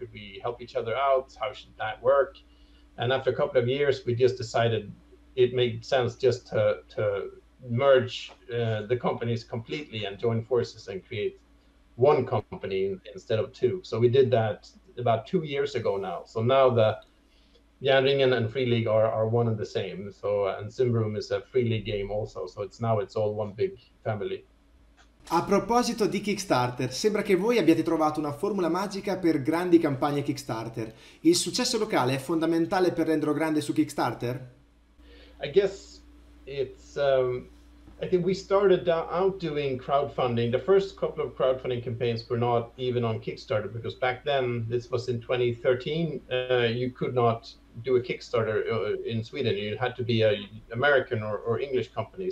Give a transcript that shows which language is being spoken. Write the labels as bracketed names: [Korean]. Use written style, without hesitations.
[English] Could we help each other out? How should that work? And after a couple of years, we just decided it made sense just to merge the companies completely and join forces and create one company instead of two. So we did that about 2 years ago now. So now the Jan Ringen and Fria Ligan are one and the same. So and Simbaroon is a Fria Ligan game also. So it's all one big family. [Italian] A proposito di Kickstarter, sembra che voi abbiate trovato una formula magica per grandi campagne Kickstarter. Il successo locale è fondamentale per renderlo grande su Kickstarter? [English] I guess it's I think we started out doing crowdfunding. The first couple of crowdfunding campaigns were not even on Kickstarter, because back then, this was in 2013, you could not do a Kickstarter in Sweden. You had to be a American or English company.